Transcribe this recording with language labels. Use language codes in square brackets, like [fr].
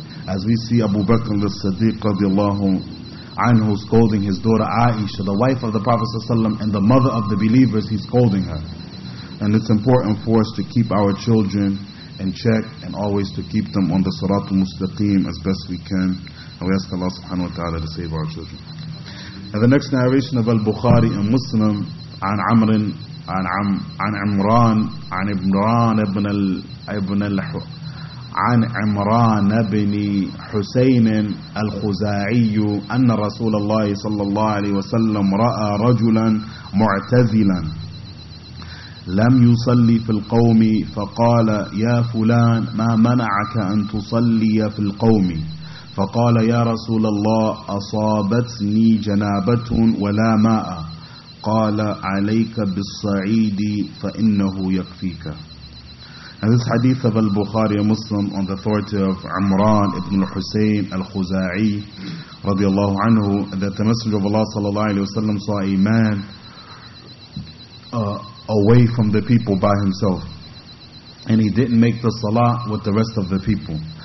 [en] As we see Abu Bakr al-Siddiq [ar] radiallahu anhu [en] scolding his daughter Aisha, the wife of the Prophet ﷺ and the mother of the believers, he's scolding her. And it's important for us to keep our children in check and always to keep them on the Sirat al-Mustaqim as best we can. And we ask Allah [ar] subhanahu wa ta'ala [en] to save our children. And the next narration of Al-Bukhari and Muslim, an Amrin, [ar] عن عمران عن عمران ابن ابن عن عمران بن حسين الخزاعي أن رسول الله صلى الله عليه وسلم رأى رجلا معتزلا لم يصلي في القوم فقال يا فلان ما منعك أن تصلي في القوم فقال يا رسول الله أصابتني جنابة ولا ماء قال عليك بالصعيد فإنه يكفيك. [en] And this hadith of Al-Bukhari and Muslim on the authority of Amran ibn al-Husayn al-Khuza'i [ar] radiallahu anhu, [en] that the Messenger of Allah [ar] sallallahu alayhi wa sallam [en] saw a man away from the people by himself, and he didn't make the salah with the rest of the people.